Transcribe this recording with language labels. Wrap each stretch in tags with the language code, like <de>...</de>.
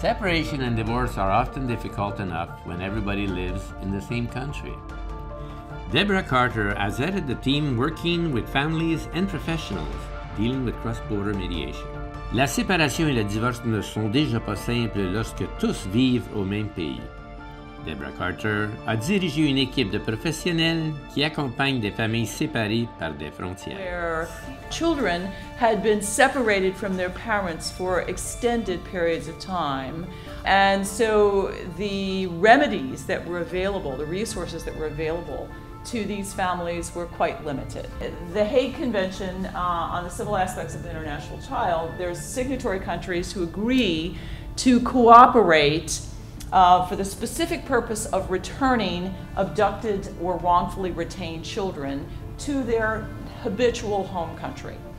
<en>Separation and divorce are often difficult enough when everybody lives in the same country. Debra Carter has headed the team working with families and professionals dealing with cross-border mediation.</en> <fr>La séparation et le divorce ne sont déjà pas simples lorsque tous vivent au même pays. Debra Carter a dirigé une équipe de professionnels qui accompagne des familles séparées par des frontières.</fr> <en>Where children had been separated from their parents for extended periods of time, and so the remedies that were available, the resources that were available to these families were quite limited. The Hague Convention on the Civil Aspects of the International Child, there's signatory countries who agree to cooperate for the specific purpose of returning abducted or wrongfully retained children to their habitual home country.</en>